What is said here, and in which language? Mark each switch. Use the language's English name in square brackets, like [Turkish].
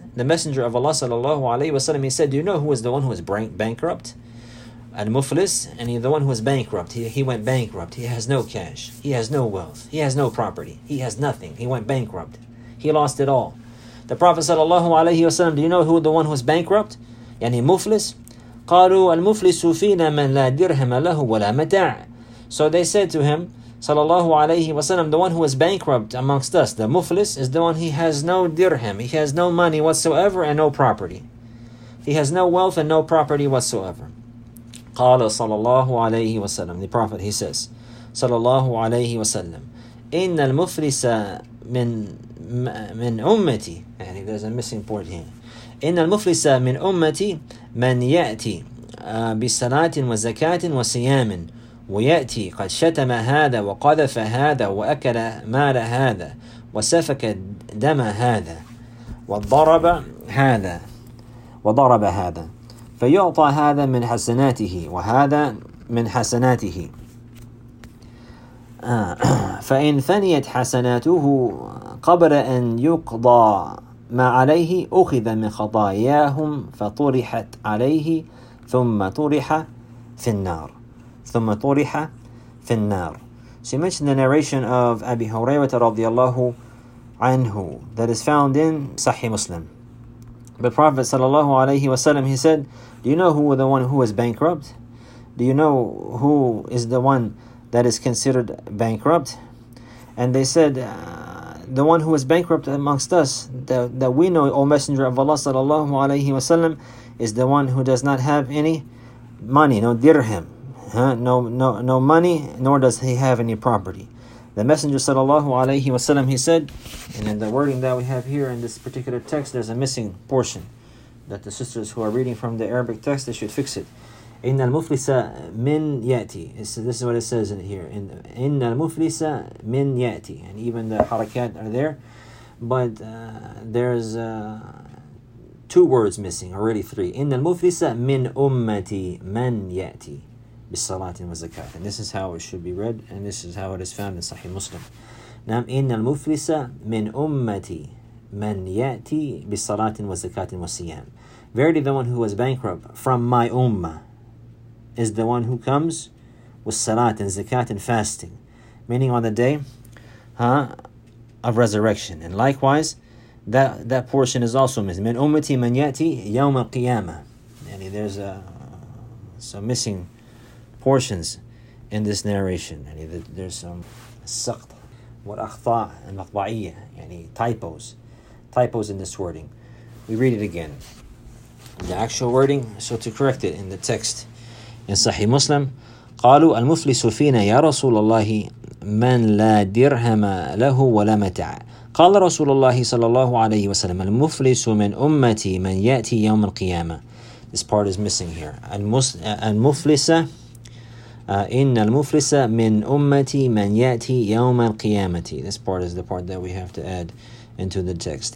[English] The Messenger of Allah sallallahu alayhi wa sallam, he said, do you know who is the one who is bankrupt? Al muflis, and he's the one who is bankrupt. He went bankrupt. He has no cash. He has no wealth. He has no property. He has nothing. He went bankrupt. He lost it all. The Prophet sallallahu alayhi wa sallam, do you know who the one who is bankrupt? Yani muflis? [Arabic] قالوا المفلس فينا من لا درهم له ولا متاع. [English] So they said to him, sallallahu alayhi wa sallam, the one who is bankrupt amongst us, the muflis, is the one he has no dirham, he has no money whatsoever and no property. He has no wealth and no property whatsoever. قال sallallahu alayhi wa sallam, the Prophet, he says, sallallahu alayhi wa sallam, [Arabic] إن المفلس من أمتي. [English] And there's a missing point here. [Arabic] إن المفلس من أمتي من يأتي بصلاة وزكاة وصيام ويأتي قد شتم هذا وقذف هذا وأكل مال هذا وسفك دم هذا وضرب هذا وضرب هذا فيعطى هذا من حسناته وهذا من حسناته فإن فنيت حسناته قبل أن يقضى ما عليه أخذ من خطاياهم فطرحت عليه ثم طرح في النار ثم طرح في النار. [English] She mentioned the narration of Abi Hurairah radiallahu anhu that is found in Sahih Muslim. The Prophet sallallahu alayhi wa sallam, he said, do you know who the one who is bankrupt? Do you know who is the one that is considered bankrupt? And they said, the one who is bankrupt amongst us, that we know, O Messenger of Allah sallallahu alayhi wa sallam, is the one who does not have any money, no dirham, no money, nor does he have any property. The Messenger sallallahu alayhi wa sallam, he said, and in the wording that we have here in this particular text, there's a missing portion that the sisters who are reading from the Arabic text, they should fix it. [Arabic] إن المفلس من يأتي. [English] This is what it says in here. [Arabic] إن المفلس من يأتي. [English] And even the harakat are there. But there's two words missing, or really three. [Arabic] إن المفلس من أمتي من يأتي بالصلاة والزكاة. [English] And this is how it should be read, and this is how it is found in Sahih Muslim. [Arabic] نعم إن المفلس من أمتي من يأتي بالصلاة والزكاة والصيام. [English] Verily the one who was bankrupt from my ummah is the one who comes with salat and zakat and fasting, meaning on the day of resurrection. And likewise, that portion is also missing. [Arabic] Min ummati man yati yawm al-qiyamah. [English] And there's some missing portions in this narration. And there's some [Arabic] saqt wa akhta' al maqta'iyyah, [English] yani typos in this wording. We read it again, the actual wording, so to correct it in the text. In Sahih Muslim, [Arabic] قالوا المفلس فينا يا رسول الله من لا درهم له ولا متاع. قال رسول الله صلى الله عليه وسلم المفلس من أمتي من يأتي يوم القيامة. [English] This part is missing here. [Arabic] المفلس إن المفلس من أمتي من يأتي يوم القيامة. [English] This part is the part that we have to add into the text.